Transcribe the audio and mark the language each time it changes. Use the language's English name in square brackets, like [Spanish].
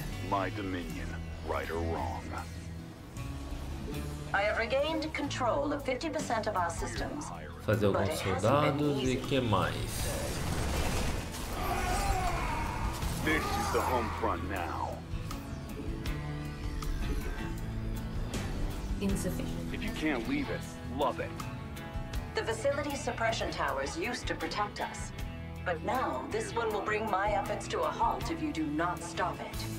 [English] My dominion, right or wrong. I have regained control of 50% of our systems. [Portuguese] Fazer alguns soldados e que mais? [English] This is the home front now. Insufficient. If you can't leave it, love it. The facility suppression towers used to protect us. But now, this one will bring my efforts to a halt if you do not stop it.